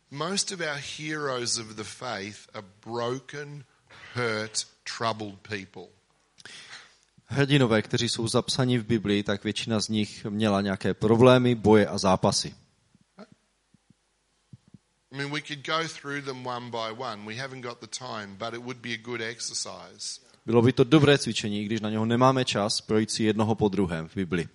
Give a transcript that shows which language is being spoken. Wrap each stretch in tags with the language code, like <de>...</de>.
<en>Most of our heroes of the faith are broken, hurt, troubled people.</en> <cs>Hrdinové, kteří jsou zapsáni v Biblii, tak většina z nich měla nějaké problémy, boje a zápasy.</cs> <en>I mean, we could go through them one by one. We haven't got the time, but it would be a good exercise.</en> <cs>Bylo by to dobré cvičení, když na něho nemáme čas, projít si jednoho po druhém v Biblii.</cs>